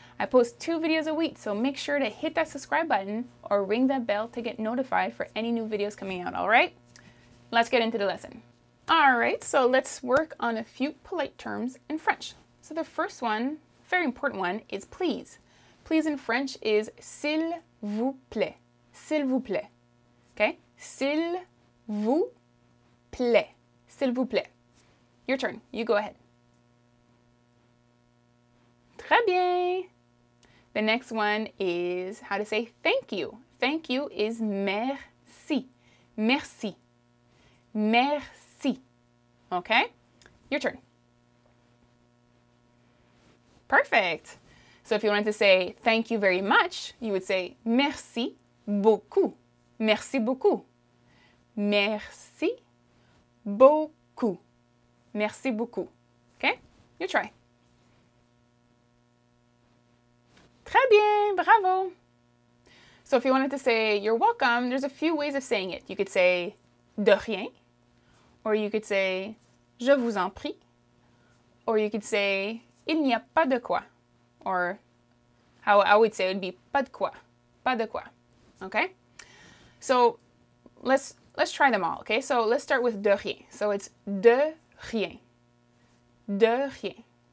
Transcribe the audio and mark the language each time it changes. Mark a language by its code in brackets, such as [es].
[en] I post 2 videos a week, so make sure to hit that subscribe button or ring that bell to get notified for any new videos coming out, all right? Let's get into the lesson. All right, so let's work on a few polite terms in French. So the first one, very important one, is please. Please in French is s'il vous plaît. [fr] S'il vous plaît. [en] Okay? S'il vous plaît. S'il vous plaît. Your turn. You go ahead. [fr] Très bien. [en] The next one is how to say thank you. Thank you is merci. Merci. Merci. Okay? Your turn. Perfect. So if you wanted to say thank you very much, you would say merci. [fr] Beaucoup. Merci beaucoup. Merci beaucoup. Merci beaucoup. [en] Okay? You try. [fr] Très bien. Bravo. [en] So if you wanted to say you're welcome, there's a few ways of saying it. You could say de rien. Or you could say [fr] je vous en prie. [en] Or you could say [fr] il n'y a pas de quoi. [en] Or how I would say it would be [fr] pas de quoi. Pas de quoi. [en] Okay, so let's try them all. Okay, so let's start with de rien. So it's de rien. [fr] De rien.